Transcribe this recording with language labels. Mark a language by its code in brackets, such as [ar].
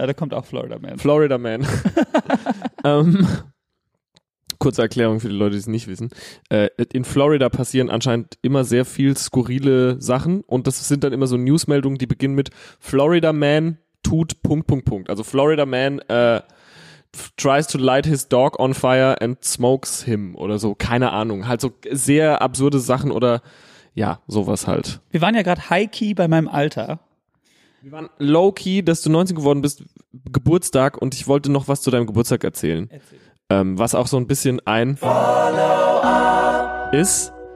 [de] Ja, da kommt auch Florida-Man. Florida-Man. Kurze Erklärung für die Leute, die es nicht wissen. In Florida passieren anscheinend immer sehr viel skurrile Sachen und das sind dann immer so Newsmeldungen, die beginnen mit Florida Man tut Punkt, Punkt, Punkt. [en] Also Florida Man tries to light his dog on fire and smokes him [de] oder so. Keine Ahnung. Halt so sehr absurde Sachen oder ja, sowas halt. Wir waren ja gerade high-key bei meinem Alter. Wir waren low-key, dass du 19 geworden bist, Geburtstag, und ich wollte noch was zu deinem Geburtstag erzählen. Erzähl. Was auch so ein bisschen ein Follow-up ist.